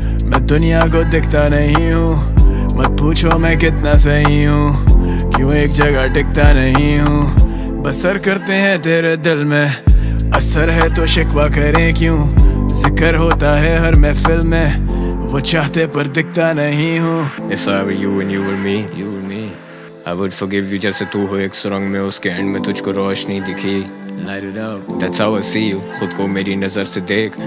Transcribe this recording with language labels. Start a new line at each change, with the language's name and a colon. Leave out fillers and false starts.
Hindi: मैं दुनिया को दिखता नहीं हूँ, मत पूछो मैं कितना सही हूँ, क्यों एक जगह टिकता नहीं हूँ, बसर करते हैं तेरे दिल में, असर है तो शिकवा करें क्यों, जिक्र होता है हर महफिल में, वो चाहते पर दिखता नहीं हूँ।
English: If I were you and you were me, you were me, I would forgive you,
Hindi: जैसे तू हो एक सुरंग में, उसके एंड में तुझको रोशनी दिखी।
English: Light it up, that's how I see you,
Hindi: खुद को मेरी नजर से देख।